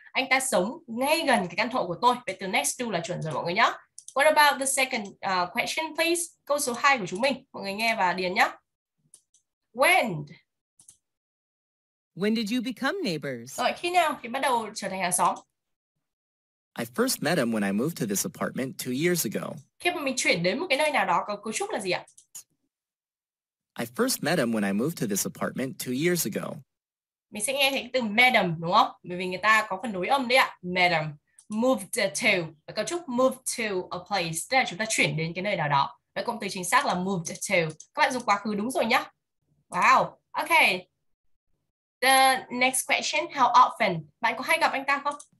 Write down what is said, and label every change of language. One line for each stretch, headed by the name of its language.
Vietnamese: Anh ta sống ngay gần cái căn hộ của tôi. Vậy từ next to là chuẩn rồi mọi người nhé.
English: What about the second question, please?
Vietnamese: Câu số 2 của chúng mình. Mọi người nghe và điền nhé.
English: When? When did you become neighbors?
Vietnamese: Rồi, khi nào thì bắt đầu trở thành hàng xóm?
English: I first met him when I moved to this apartment 2 years ago.
Vietnamese: Khi mà mình chuyển đến một cái nơi nào đó, cấu trúc là gì ạ?
English: I first met him when I moved to this apartment 2 years ago.
Vietnamese: Mình sẽ nghe thấy cái từ met him, đúng không? Bởi vì người ta có phần nối âm đấy ạ. Met him. Moved to. Và cấu trúc moved to a place. Tức là chúng ta chuyển đến cái nơi nào đó. Và cụm từ chính xác là moved to. Các bạn dùng quá khứ đúng rồi nhá. Wow. Okay.
English: The next question, how often?
Vietnamese: Bạn có hay gặp anh ta không?